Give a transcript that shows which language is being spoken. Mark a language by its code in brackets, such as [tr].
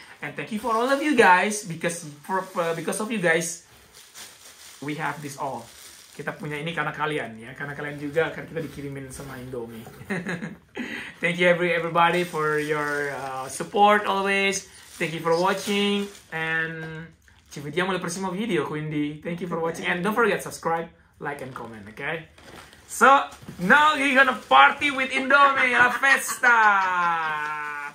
[en] And thank you for all of you guys. Because of you guys, we have this all. [id] Kita punya ini karena kalian ya, karena kalian juga kan kita dikirimin sama Indomie. [en] Thank you everybody for your support always. Thank you for watching and [it] ci vediamo al prossimo video, quindi [en] thank you for watching and don't forget subscribe, like and comment, okay? So, now you're gonna party with Indomie, la festa!